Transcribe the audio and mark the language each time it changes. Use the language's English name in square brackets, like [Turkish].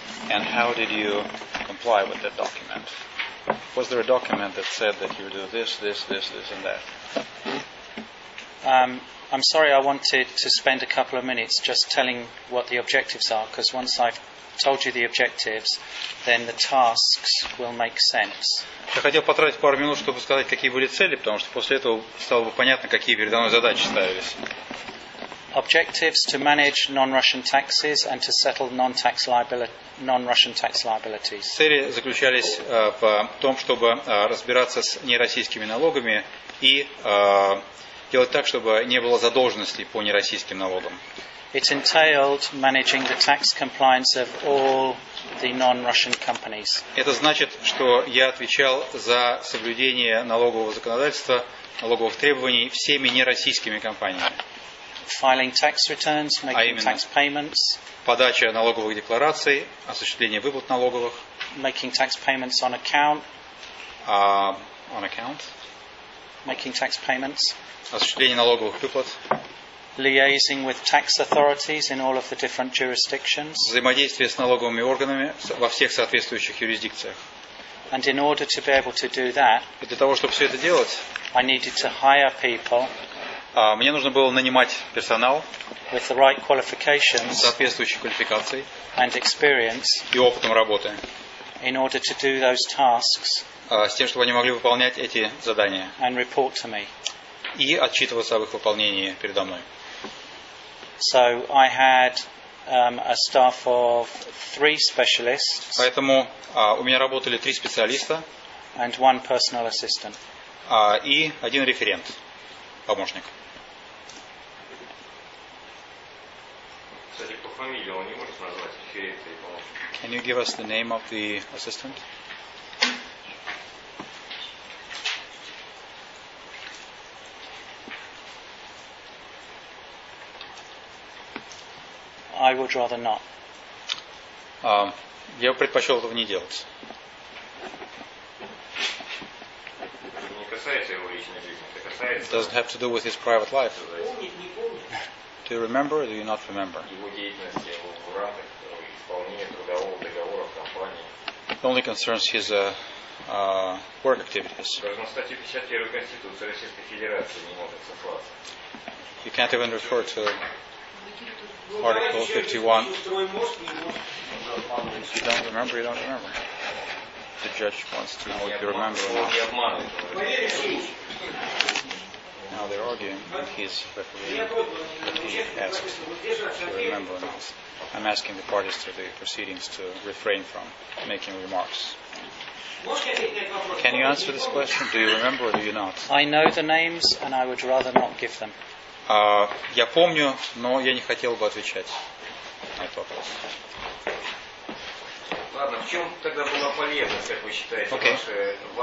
[English] And how did you comply with that document? Was there a document that said that you do this, this, this, this, and that? I'm sorry, I wanted to spend a couple of minutes just telling what the objectives are, because once I've told you the objectives, then the tasks will make sense. [Russian] Я хотел потратить пару минут, чтобы сказать, какие были цели, потому что после этого стало бы понятно, какие передо мной задачи ставились. [English] objectives to manage non-Russian taxes and to settle non-Russian tax liabilities. [Russian] Цели заключались в том, чтобы разбираться с нероссийскими налогами и делать так, чтобы не было задолженности по нероссийским налогам. [English] It entailed managing the tax compliance of all the non-Russian companies. [Russian] Это значит, что я отвечал за соблюдение налогового законодательства, налоговых требований всеми нероссийскими компаниями. [English] Filing tax returns, making tax payments. [Russian] Подача налоговых деклараций, осуществление выплат налоговых. [English] Making tax payments on account. On account. Making tax payments. [Russian] Осуществление налоговых выплат. [English] Liaising with tax authorities in all of the different jurisdictions. [Russian] Взаимодействие с налоговыми органами во всех соответствующих юрисдикциях. [English] And in order to be able to do that, [Russian] и для того, чтобы все это делать, [English] I needed to hire people. [Russian] Мне нужно было нанимать персонал [English] with the right qualifications, [Russian] соответствующей квалификацией, [English] and experience, [Russian] и опытом работы, [English] in order to do those tasks, [Russian] с тем, чтобы они могли выполнять эти задания, [English] and report to me. [Russian] И отчитываться об их выполнении передо мной. [English] So I had a staff of three specialists. [Russian] Поэтому у меня работали три специалиста. [English] And one personal assistant. [Russian] И один референт, помощник. Кстати, по фамилии он не может назвать референта и помощника. [English] Can you give us the name of the assistant? I would rather not. [Russian] Я предпочел этого не делать. Не касается его личной жизни, это касается. [English] It doesn't have to do with his private life. [Russian] Помнит, [English] do you remember or do you not remember? [Russian] Его деятельность, его в рамках исполнения трудового договора в компании. [English] It only concerns his work activities. [Russian] Должно статье 51 Конституции Российской Федерации не может сослаться. [English] You can't even refer to Article 51. If you don't remember, you don't remember. The judge wants to know if you remember or not. Now they're arguing, and he's refereeing, but he asks to remember or not. I'm asking the parties to the proceedings to refrain from making remarks. Can you answer this question? Do you remember or do you not? I know the names, and I would rather not give them. [Russian] Я помню, но я не хотел бы отвечать на этот вопрос. Ладно, в чем тогда была полезность, как вы считаете, okay.